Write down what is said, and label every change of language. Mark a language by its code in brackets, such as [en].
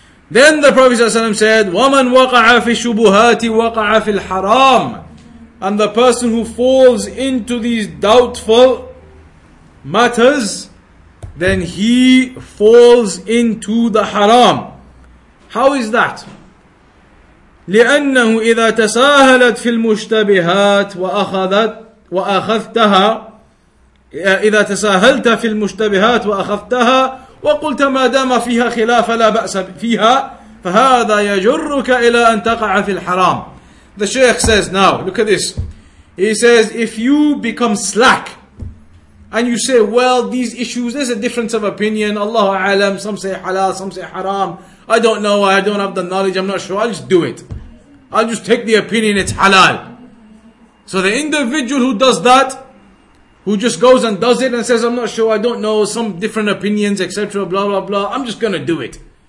[en] Then the Prophet ﷺ said, [ar] وَمَنْ وَقَعَ فِي الشُّبُهَاتِ وَقَعَ فِي الْحَرَامِ. [en] And the person who falls into these doubtful matters, then he falls into the haram. How is that? [ar] لأنه إذا تساهلت في المشتبهات وأخذتها إذا تساهلت في المشتبهات وأخذتها وقلت ما دام فيها خلاف لا بأس فيها فهذا يجرك إلى أن تقع في الحرام. [en] The Shaykh says, now look at this. He says, if you become slack and you say, well, these issues, there's a difference of opinion. Allahu A'lam, some say halal, some say haram. I don't know, I don't have the knowledge, I'm not sure, I'll just do it. I'll just take the opinion, it's halal. So the individual who does that, who just goes and does it and says, I'm not sure, I don't know, some different opinions, etc., blah, blah, blah, I'm just going to do it.